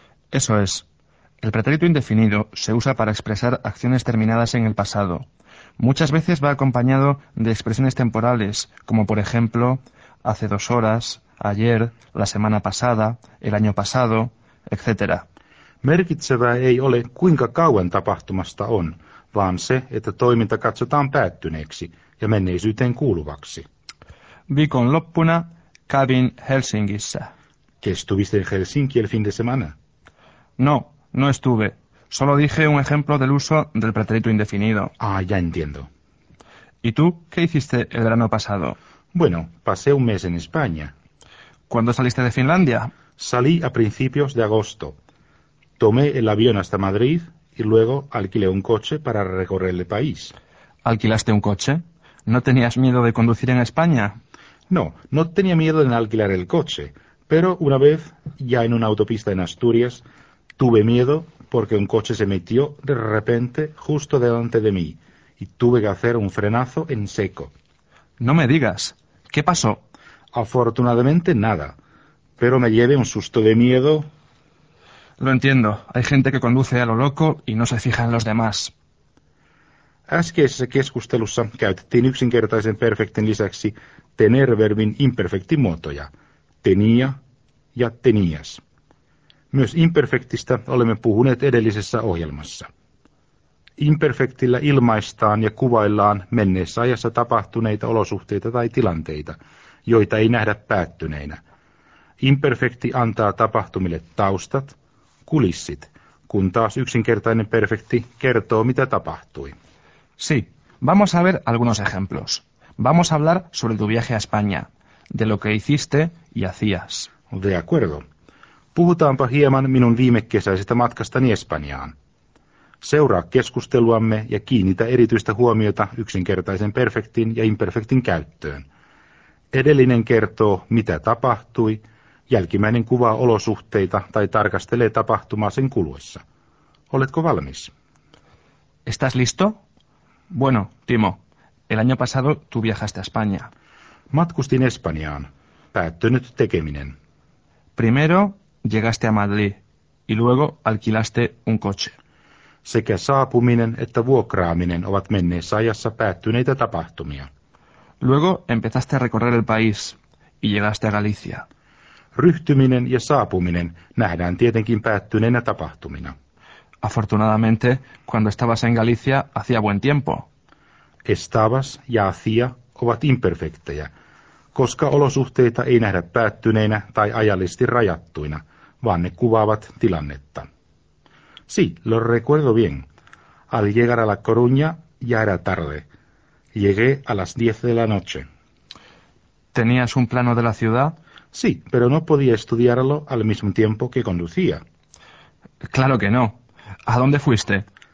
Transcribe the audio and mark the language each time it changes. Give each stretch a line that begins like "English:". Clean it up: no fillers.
Spanish: Eso es. El pretérito indefinido se usa para expresar acciones terminadas en el pasado. Muchas veces va acompañado de expresiones temporales, como por ejemplo, hace 2 horas, ayer, la semana pasada, el año pasado, etc.
Finnish: Merkitsevää ei ole, kuinka kauan tapahtumasta on, vaan se, että toiminta katsotaan päättyneeksi ja menneisyyteen kuuluvaksi. Viikon loppuna kävin Helsingissä.
Spanish: Kestuviste en Helsinki el fin de semana? No. No estuve. Solo dije un ejemplo del uso del pretérito indefinido. Ah, ya entiendo. ¿Y tú qué hiciste el verano pasado? Bueno, pasé un mes en España. ¿Cuándo saliste de Finlandia? Salí a principios de agosto. Tomé el avión hasta Madrid y luego alquilé un coche para recorrer el país. ¿Alquilaste un coche? ¿No tenías miedo de conducir en España? No, no tenía miedo en alquilar el coche. Pero una vez, ya en una autopista en Asturias... Tuve miedo porque un coche se metió de repente justo delante de mí y tuve que hacer un frenazo en seco. No me digas, ¿qué pasó? Afortunadamente nada, pero me llevé un susto de miedo. Lo entiendo, hay gente que conduce a lo loco y no se fija en los demás.
Finnish: Äskeisessä keskustelussa käytettiin yksinkertaisen perfektin lisäksi tener-verbin imperfektimuotoja, tenía ja tenías. Myös imperfektistä olemme puhuneet edellisessä ohjelmassa. Imperfektillä ilmaistaan ja kuvaillaan menneessä ajassa tapahtuneita olosuhteita tai tilanteita, joita ei nähdä päättyneinä. Imperfekti antaa tapahtumille taustat, kulissit, kun taas yksinkertainen perfekti kertoo, mitä tapahtui.
Spanish: Sí, vamos a ver algunos ejemplos. Vamos a hablar sobre tu viaje a España, de lo que hiciste y hacías. De acuerdo.
Finnish: Puhutaanpa hieman minun viimekesäisestä matkastani Espanjaan. Seuraa keskusteluamme ja kiinnitä erityistä huomiota yksinkertaisen perfektin ja imperfektin käyttöön. Edellinen kertoo, mitä tapahtui, jälkimmäinen kuvaa olosuhteita tai tarkastelee tapahtumaa sen kuluessa. Oletko valmis?
Spanish: ¿Estás listo? Bueno, Timo, el año pasado tú viajaste a España.
Finnish: Matkustin Espanjaan. Päättynyt tekeminen.
Spanish: Primero llegaste a Madrid y luego alquilaste un coche.
Finnish: Sekä saapuminen että vuokraaminen ovat menneessä ajassa päättyneitä tapahtumia.
Spanish: Luego empezaste a recorrer el país y llegaste a Galicia.
Finnish: Ryhtyminen ja saapuminen nähdään tietenkin päättyneenä tapahtumina.
Spanish: Afortunadamente, cuando estabas en Galicia, hacía buen tiempo.
Finnish: Estabas ja hacía ovat imperfektejä, koska olosuhteita ei nähdä päättyneinä tai ajallisesti rajattuina, vaan ne kuvaavat tilannetta.
Spanish: Sí, lo recuerdo bien. Al llegar a La Coruña, ya era tarde. Llegué a las 10 de la noche. ¿Tenías un plano de la ciudad? Sí, pero no podía estudiarlo al mismo tiempo que conducía. Claro que no. ¿A dónde fuiste?